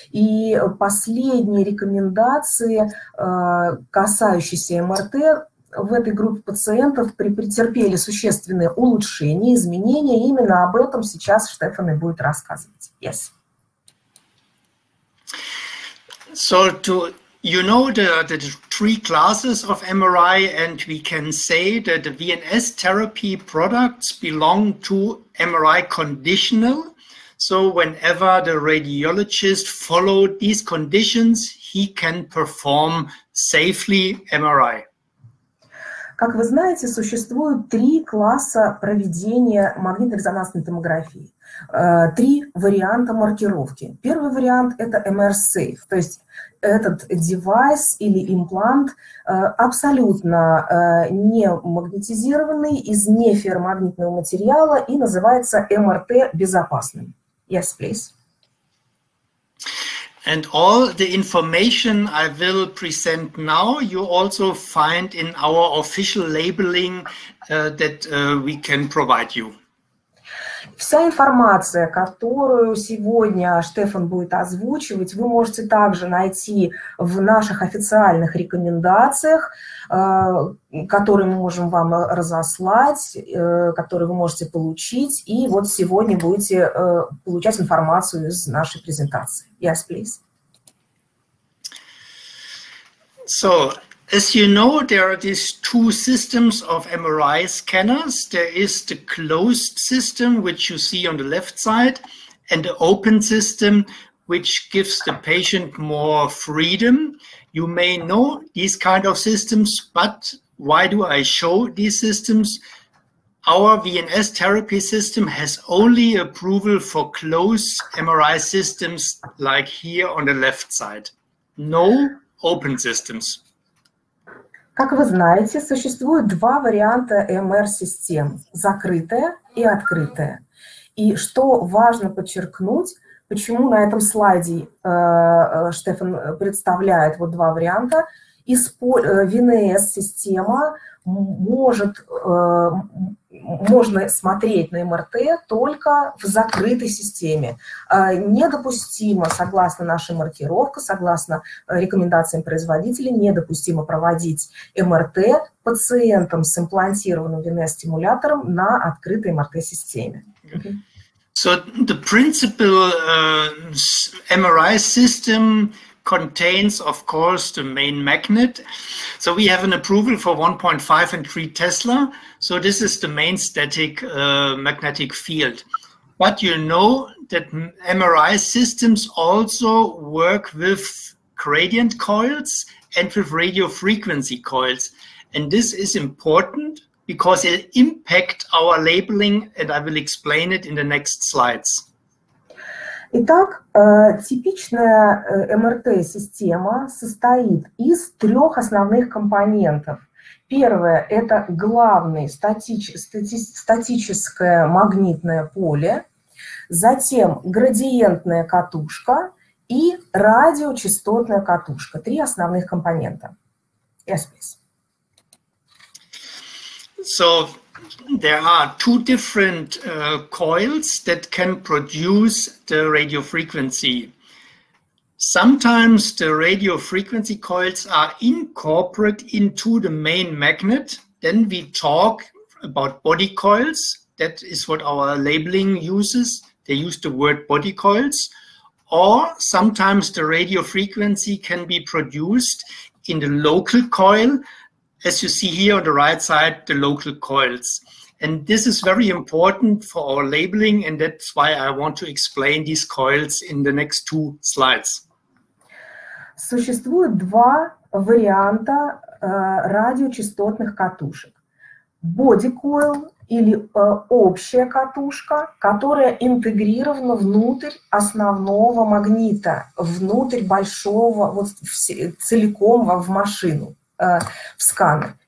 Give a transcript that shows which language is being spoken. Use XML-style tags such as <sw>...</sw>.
<ru>И последние рекомендации, касающиеся МРТ, в этой группе пациентов претерпели существенные улучшения, изменения. Именно об этом сейчас Штефан и будет рассказывать.</ru> <en>Yes. So, to, you know the three classes of MRI, and we can say that the VNS therapy products belong to MRI conditional. So, whenever the radiologist followed these conditions, he can perform safely MRI.</en> <ru>Как вы знаете, существуют три класса проведения магнитно-резонансной томографии, три варианта маркировки. Первый вариант – это MR-Safe, то есть этот девайс или имплант абсолютно не магнетизированный, из неферромагнитного материала и называется MRT-безопасным.</ru> <en>Yes, please. And all the information I will present now, you also find in our official labeling that we can provide you.</en> <ru>Вся информация, которую сегодня Штефан будет озвучивать, вы можете также найти в наших официальных рекомендациях, которые мы можем вам разослать, которые вы можете получить, и вот сегодня будете получать информацию из нашей презентации.</ru> <en>Yes, please. So, as you know, there are these two systems of MRI scanners. There is the closed system, which you see on the left side, and the open system, which gives the patient more freedom. You may know these kind of systems, but why do I show these systems? Our VNS therapy system has only approval for closed MRI systems, like here on the left side. No open systems.</en> <ru>Как вы знаете, существует два варианта MR-систем – закрытая и открытая. И что важно подчеркнуть, почему на этом слайде Штефан представляет вот два варианта, VNS-система может, можно смотреть на МРТ только в закрытой системе. Недопустимо, согласно нашей маркировке, согласно рекомендациям производителя, недопустимо проводить МРТ пациентам с имплантированным ВНС-стимулятором на открытой МРТ-системе.</ru> <en>So the principal MRI system contains, of course, the main magnet. So we have an approval for 1.5 and 3 Tesla. So this is the main static magnetic field. But you know that MRI systems also work with gradient coils and with radio frequency coils. And this is important because it impacts our labeling, and I will explain it in the next slides.</en> <ru>Итак, типичная МРТ-система состоит из трех основных компонентов. Первое – это главное статическое магнитное поле, затем градиентная катушка и радиочастотная катушка. Три основных компонента.</ru> <en>Yes, please. So there are two different coils that can produce the radio frequency. Sometimes the radio frequency coils are incorporated into the main magnet. Then we talk about body coils. That is what our labeling uses. They use the word body coils. Or sometimes the radio frequency can be produced in the local coil. As you see here on the right side, the local coils. And this is very important for our labeling, and that's why I want to explain these coils in the next two slides.</en> <ru>Существует два варианта радиочастотных катушек. Body coil или общая катушка, которая интегрирована внутрь основного магнита, внутрь большого, вот целиком в машину, в сканер.</ru>